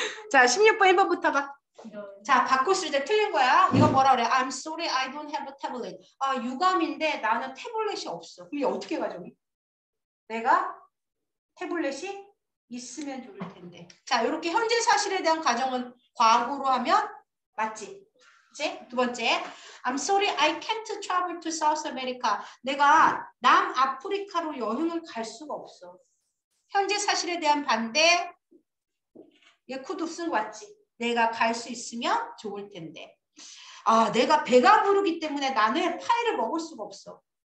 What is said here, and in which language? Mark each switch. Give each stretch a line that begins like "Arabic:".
Korean: 자, 16번 1번부터 봐. 자, 바꿨을 때 틀린 거야. 이거 뭐라 그래?
English: I'm sorry, I don't have a tablet.
Korean: 아, 유감인데 나는 태블릿이 없어. 그럼 이게 어떻게 가져오니? 내가 태블릿이 있으면 좋을 텐데. 자, 이렇게 현재 사실에 대한 가정은 과거로 하면 맞지? 그치?
English: 두 번째, I'm sorry, I can't travel to South America.
Korean: 내가 남아프리카로 여행을 갈 수가 없어. 현재 사실에 대한 반대, 얘 쿠도 쓴 거 맞지? 내가 갈 수 있으면 좋을 텐데. 아, 내가 배가 부르기 때문에 나는 파이를 먹을 수가 없어.